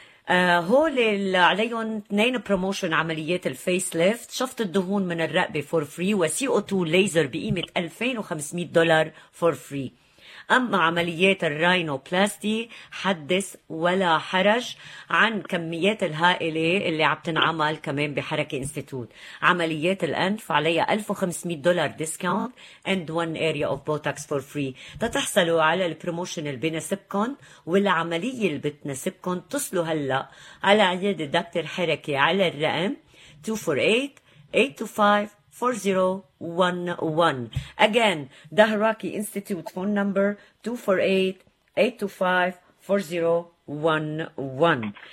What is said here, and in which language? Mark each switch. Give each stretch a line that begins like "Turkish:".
Arabic: هول اللي عليهم 2 بروموشن عمليات الفيس ليفت، شفط الدهون من الرقبة
English: for free,
Arabic: وCO2 ليزر بقيمة $2,500 فور فري. أما عمليات الراينوبلاستي حدث ولا حرج عن كميات الهائلة اللي عم تنعمل كمان بحركة إنستيتوت. عمليات الأنف عليها
English: $1,500 discount and one area of Botox for free.
Arabic: تتحصلوا على البروموشن اللي بناسبكن والعملية اللي بتناسبكن. تصلوا هلأ على عيادة دكتور حركة على الرقم 248-825-4011.
English: Again, Dahraki Institute phone number 248-825-4011.